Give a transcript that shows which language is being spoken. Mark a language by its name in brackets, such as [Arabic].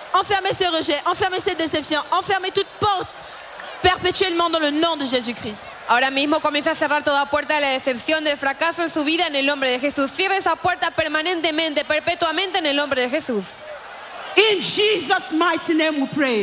[French] Enfermez ce rejet, enfermez cette déception, enfermez toute porte perpétuellement dans le nom de Jésus-Christ. [Spanish] Ahora mismo comienza a cerrar toda puerta de la decepción, del fracaso en su vida en el nombre de Jesús. Cierre esa puerta permanentemente, perpetuamente en el nombre de Jesús. [English] In Jesus' mighty name we pray.